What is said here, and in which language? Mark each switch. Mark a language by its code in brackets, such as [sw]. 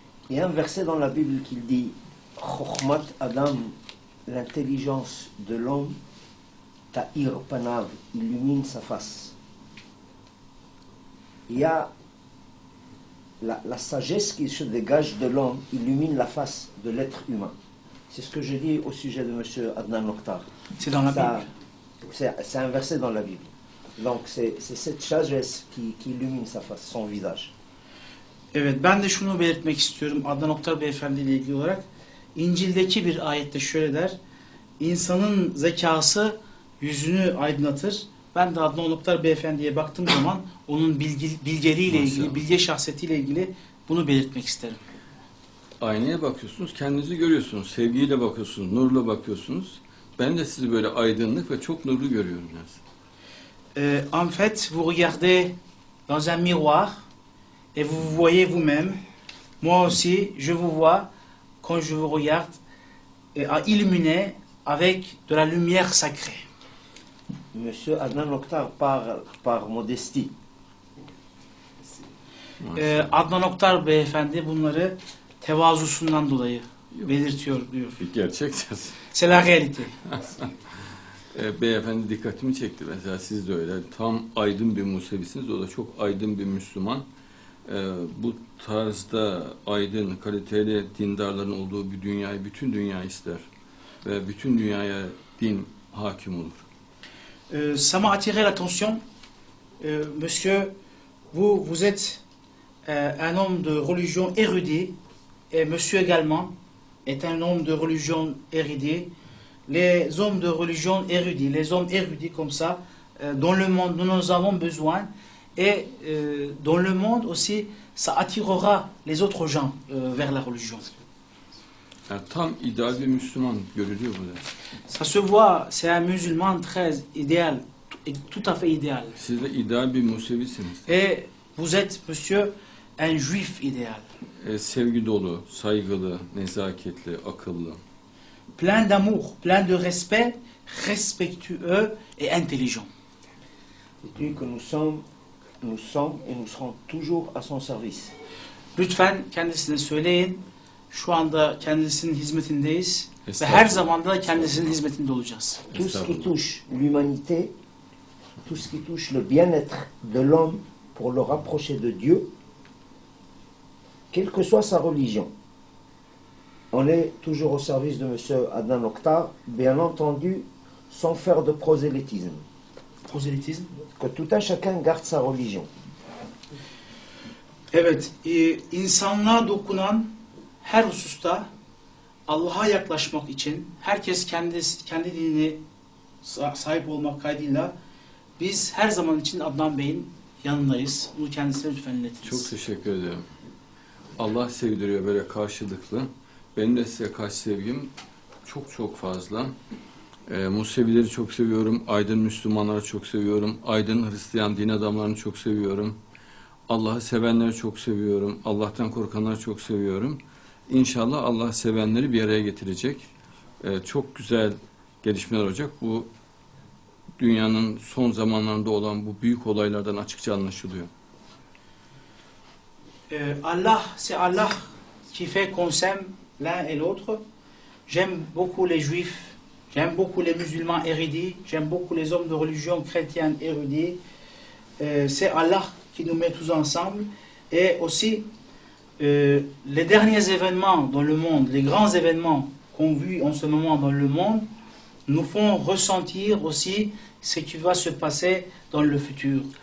[fr] Il y a un verset dans la Bible qui dit « [he] Chokhmat Adam, [fr] l'intelligence de l'homme, [he] ta'ir panav, [fr] illumine sa face. » Il y a la sagesse qui se dégage de l'homme, illumine la face de l'être humain. C'est ce que je dis au sujet de M. Adnan Oktar. C'est dans la Bible. C'est un verset dans la Bible. Donc c'est cette sagesse qui illumine sa face, son visage. [tr] Evet, ben de şunu belirtmek istiyorum Adnan Oktar Beyefendi ile ilgili olarak. İncil'deki bir ayette şöyle der. İnsanın zekası yüzünü aydınlatır. Ben de Adnan Oktar Beyefendi'ye baktığım zaman onun bilgeliğiyle ilgili, bilge şahsiyetiyle ilgili bunu belirtmek isterim. Aynaya bakıyorsunuz, kendinizi görüyorsunuz. Sevgiyle bakıyorsunuz, nurla bakıyorsunuz. Ben de sizi böyle aydınlık ve çok nurlu görüyorum. [fr] En fait, vous regardez dans un miroir. Et vous voyez vous-même, moi aussi, je vous vois, quand je vous regarde, illuminé avec de la lumière sacrée. Monsieur Adnan Oktar parle par modestie. [tr] Adnan Oktar Beyefendi bunları tevazusundan dolayı belirtiyor diyor. Gerçekten. [fr] C'est la réalité. [tr] Beyefendi dikkatimi çekti. Mesela siz de öyle. Tam aydın bir Musevisiniz. O da çok aydın bir Müslüman. Bu tarzda aydın, kaliteli dindarların olduğu bir dünyayı bütün dünya ister ve bütün dünyaya din hakim olur. [fr] Ça m'a attiré l'attention, monsieur, vous êtes un homme de religion érudit et monsieur également est un homme de religion érudit. Les hommes de religion érudit, les hommes érudits comme ça, dans le monde, nous en avons besoin. Et dans le monde aussi, ça attirera les autres gens vers la religion. [tr] Tam idéal bir Müslüman görülüyor burada. [fr] Ça se voit, c'est un musulman très idéal, tout à fait idéal. [tr] Siz de idéal bir Musevisiniz. [fr] Et vous êtes, monsieur, un juif idéal. [tr] Sevgi dolu, saygılı, nezaketli, akıllı. [fr] Plein d'amour, plein de respect, respectueux et intelligent. Et puis que nous sommes... Nous sommes et nous serons toujours à son service. [tr] Lütfen kendisine söyleyin. Şu anda kendisinin hizmetindeyiz ve her zaman da kendisinin hizmetinde olacağız. [fr] Tout ce qui touche l'humanité, tout ce qui touche le bien-être de l'homme pour le rapprocher de Dieu, quelle que soit sa religion, on est toujours au service de Monsieur Adnan Oktar, bien entendu, sans faire de prosélytisme. Que tout un chacun garde sa religion. [tr] Evet, insanlığa dokunan her hususta Allah'a yaklaşmak için herkes kendi dinine sahip olmak kaydıyla biz her zaman için Adnan Bey'in yanındayız. Bunu kendisine lütfen iletiniz. Çok teşekkür ederim. Allah sevdiriyor böyle karşılıklı. Benim de size karşı sevgim çok çok fazla. Musevileri çok seviyorum. Aydın Müslümanları çok seviyorum. Aydın Hristiyan din adamlarını çok seviyorum. Allah'ı sevenleri çok seviyorum. Allah'tan korkanları çok seviyorum. İnşallah Allah sevenleri bir araya getirecek. Çok güzel gelişmeler olacak. Bu dünyanın son zamanlarında olan bu büyük olaylardan açıkça anlaşılıyor. [fr] Allah, c'est Allah qui fait qu'on s'aime l'un et l'autre. J'aime beaucoup les juifs, j'aime beaucoup les musulmans érudits, j'aime beaucoup les hommes de religion chrétienne érudits. C'est Allah qui nous met tous ensemble. Et aussi, les derniers événements dans le monde, les grands événements qu'on vit en ce moment dans le monde, nous font ressentir aussi ce qui va se passer dans le futur.